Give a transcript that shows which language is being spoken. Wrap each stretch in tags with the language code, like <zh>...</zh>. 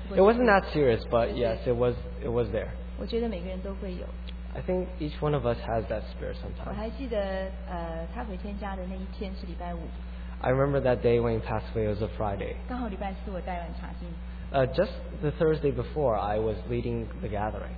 <en>it wasn't that serious, but yes, it was there.</en> <zh>我觉得每个人都会有,</zh> <en>I think each one of us has that spirit sometimes.</en> <zh>我还记得, 他回天家的那一天是礼拜五,</zh> <en>I remember that day when he passed away, it was a Friday. Just the Thursday before, I was leading the gathering.</en>